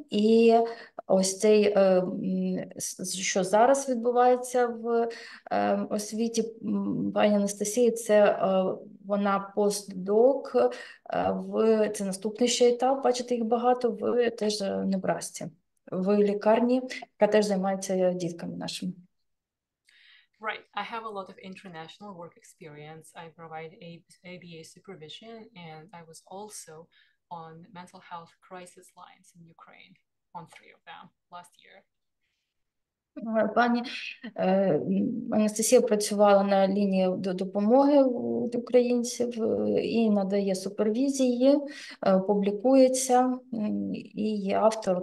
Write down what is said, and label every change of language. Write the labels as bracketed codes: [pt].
[uk] І ось цей, що зараз відбувається в освіті пані Анастасії, це вона постдок, це наступний ще етап, бачите, їх багато, в теж Небрасці, в лікарні, яка теж займається дітками нашими. [en] Right, I have a lot of international work experience. I provide ABA supervision, and I was also on mental health crisis lines in Ukraine. on three of them last year. [uk] Пані Анастасія працювала на лінії допомоги українців і надає супервізії, публікується і є автор.